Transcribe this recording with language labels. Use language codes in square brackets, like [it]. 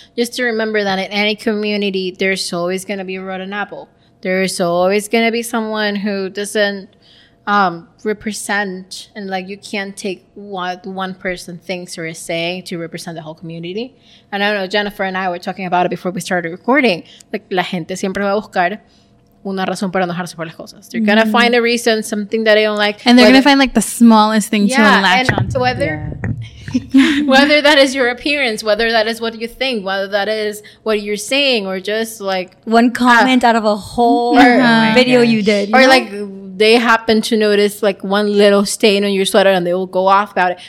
[en] Just to remember that in any community, there's always going to be a rotten apple. There's always going to be someone who doesn't represent, and, like, you can't take what one person thinks or is saying to represent the whole community. And I don't know, Jennifer and I were talking about it before we started recording. [es] Like, la gente siempre va a buscar una razón para enojarse por las cosas. [en] They're gonna mm-hmm. find a reason, something that they don't like. And they're gonna find like the smallest thing yeah, to latch on. Whether yeah. whether that is your appearance, whether that is what you think, whether that is what you're saying, or just like one comment out of a whole or, video you did. Or like they happen to notice like one little stain on your sweater and they will go off about it.